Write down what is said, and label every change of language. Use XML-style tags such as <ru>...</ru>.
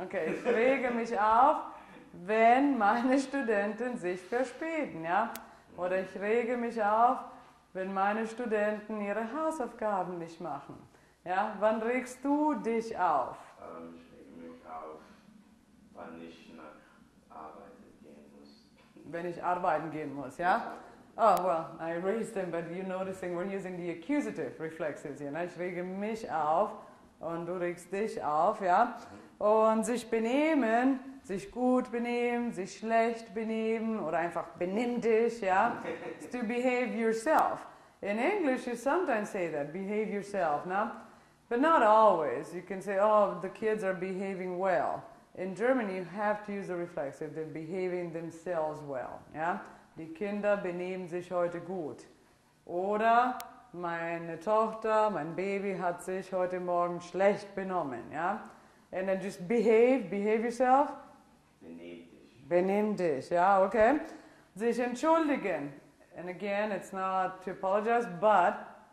<de>Okay, ich rege mich auf, wenn meine Studenten sich verspäten, ja? Oder ich rege mich auf, wenn meine Studenten ihre Hausaufgaben nicht machen. Ja, wann regst du dich auf? Ich rege mich auf, wenn ich nach Arbeit gehen muss. Wenn ich arbeiten gehen muss, ja?</de> <en>Oh, well, I raised them, but you're noticing we're using the accusative reflexes here. Ne?</en> <de>Ich rege mich auf und du regst dich auf, ja? Und sich benehmen, sich gut benehmen, sich schlecht benehmen oder einfach benimm dich, ja?</de> <en>It's to behave yourself. In English, you sometimes say that, behave yourself, no? But not always. You can say, oh, the kids are behaving well. In Germany, you have to use the reflexive, they're behaving themselves well, yeah?</en> <de>Die Kinder benehmen sich heute gut. Oder meine Tochter, mein Baby hat sich heute Morgen schlecht benommen, yeah?</de> <en>And then just behave yourself?</en> <de>Benehm dich. Benehm dich,</de> <en>yeah, okay?</en> <de>Sich entschuldigen.</de> <en>And again, it's not to apologize, but</en>